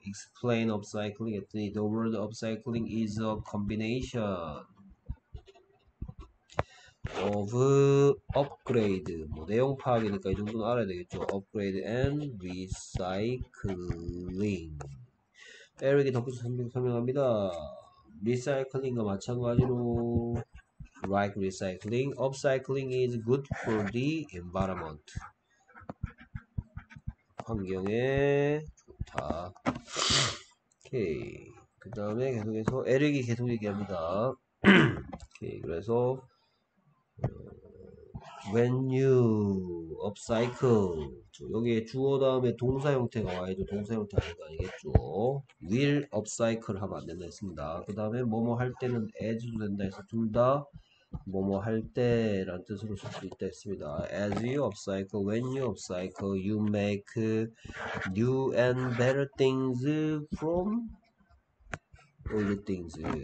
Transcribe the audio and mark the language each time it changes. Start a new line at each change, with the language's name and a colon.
English: Explain upcycling
Korean: 했더니
English: the word upcycling is a combination of upgrade.
Korean: 뭐 내용 파악이니까 이 정도는 알아야 되겠죠.
English: Upgrade and recycling.
Korean: 에릭이 덧붙여 설명합니다.
English: Recycling과
Korean: 마찬가지로
English: like recycling, upcycling is good for the environment.
Korean: 환경에 좋다. 오케이. 그 다음에 계속해서 에릭이 계속 얘기합니다. 오케이. 그래서
English: when you upcycle,
Korean: 여기에 주어 다음에 동사 형태가 와야죠. 동사 형태 아니겠죠.
English: will upcycle
Korean: 하면 안 된다 했습니다. 그 다음에 뭐뭐 할 때는 as도 된다 해서 둘다 뭐뭐 할 때란 뜻으로 쓸수 있다 했습니다.
English: As you upcycle, when you upcycle, you make new and better things from old things.